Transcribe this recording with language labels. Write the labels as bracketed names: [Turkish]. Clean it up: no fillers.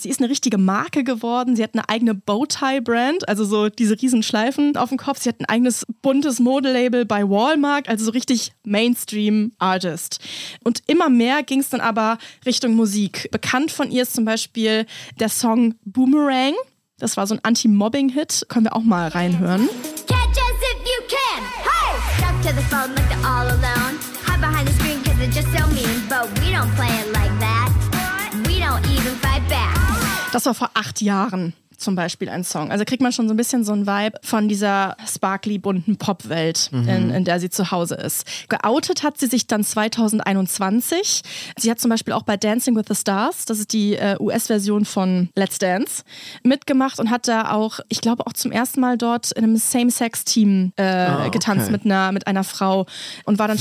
[German] Sie ist eine richtige Marke geworden. Sie hat eine eigene Bowtie-Brand, also so diese riesen Schleifen auf dem Kopf. Sie hat ein eigenes buntes Modelabel bei Walmart, also so richtig Mainstream-Artist. Und immer mehr ging es dann aber Richtung Musik. Bekannt von ihr ist zum Beispiel der Song Boomerang. Das war so ein Anti-Mobbing-Hit. Können wir auch mal reinhören. [English] Catch us if you can. Hey! Talk to the phone like they're all alone. Hide behind the screen cause it's just so mean. But we don't play it like that. We don't even fight back. [German] Das war vor 8 Jahren. Zum Beispiel ein Song. Also kriegt man schon so ein bisschen so ein Vibe von dieser sparkly, bunten Popwelt, in der sie zu Hause ist. Geoutet hat sie sich dann 2021. Sie hat zum Beispiel auch bei Dancing with the Stars, das ist die US-Version von Let's Dance, mitgemacht und hat da auch, ich glaube, auch zum ersten Mal dort in einem Same-Sex-Team getanzt mit einer Frau und war dann